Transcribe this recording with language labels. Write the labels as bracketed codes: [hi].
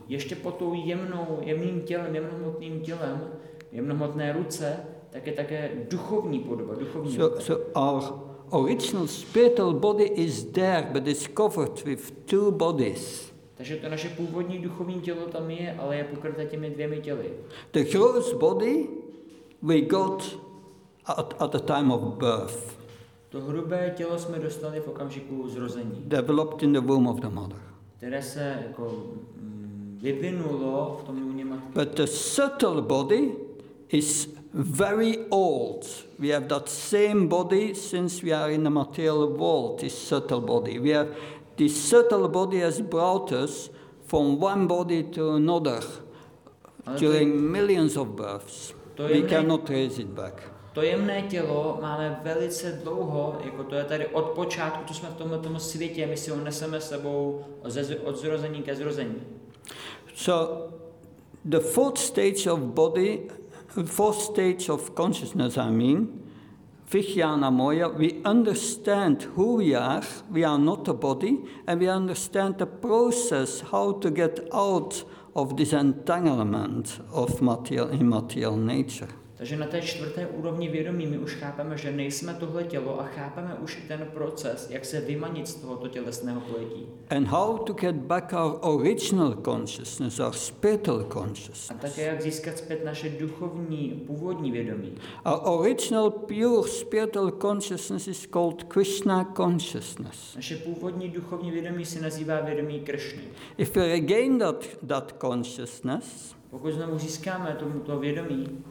[cs] Ještě pod tou jemným tělem, jemnohmotným tělem, jemnohmotné ruce, tak je také duchovní podoba, duchovní. [en] So our original spiritual body is there, but it's covered with two bodies. [cs] Takže to naše původní duchovní tělo tam je, ale je pokryté těmi dvěmi těly. [en] The gross body we got at the time of birth. [cs] To hrubé tělo jsme dostali v okamžiku zrození. [en] Developed in the womb of the mother. [cs] Které se jako vyvinulo v tom lůně matky. [en] But the subtle body is very old. We have that same body since we are in the material world, this subtle body. We have this subtle body has brought us from one body to another during millions of births. We cannot trace it back. [cs] To jemné tělo máme velice dlouho, jako to je tady od počátku, co jsme v tomto světě, my si ho neseme sebou od zrození ke zrození. [en] So the fourth stage of body, fourth stage of consciousness, I mean, vijnanamoya, we understand who we are not the body, and we understand the process how to get out of this entanglement of material, immaterial nature. [cs] Takže na té čtvrté úrovni vědomí my už chápeme, že nejsme tohle tělo a chápeme už i ten proces, jak se vymanit z tohoto tělesného pojetí. [en] And how to get back our original consciousness, our spiritual consciousness. [cs] A také jak získat zpět naše duchovní, původní vědomí. [en] Our original pure spiritual consciousness is called Krishna consciousness. [cs] Naše původní duchovní vědomí se nazývá vědomí Krishny. [en] If we regain that consciousness, [cs] pokud znovu získáme tomuto vědomí,